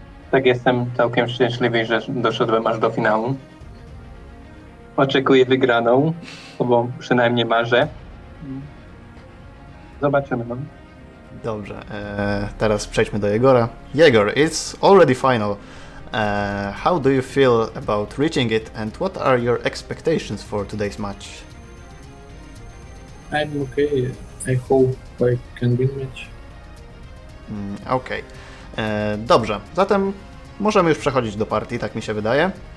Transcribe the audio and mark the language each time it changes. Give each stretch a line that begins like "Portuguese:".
Polish: Tak, jestem całkiem szczęśliwy, że doszedłem aż do finału. Oczekuję wygraną, bo przynajmniej marzę. Zobaczymy. Dobrze, teraz przejdźmy do Jegora.
English: Jegor, it's already final. How do you feel about reaching it and what are your expectations for today's match? I'm okay. I hope I can be match.
Polish: Okej. Dobrze. Zatem możemy już przechodzić do partii, tak mi się wydaje.